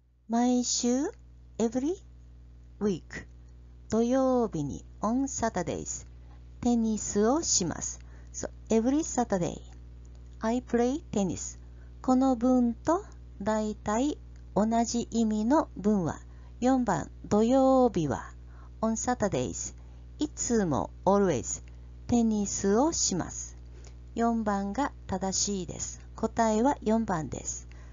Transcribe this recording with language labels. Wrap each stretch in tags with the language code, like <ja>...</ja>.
<ja>毎週、</ja> <en>every week、</en> <ja>土曜日に、</ja> <en>on Saturdays、</en> <ja>テニスをします。</ja> <en>So, every Saturday, I play tennis.</en> <ja>この文と大体同じ意味の文は、4番、土曜日は、</ja> <en>on Saturdays、</en> <ja>いつも、always、テニスをします。 4番が正しいです。答えは4番です。</ja>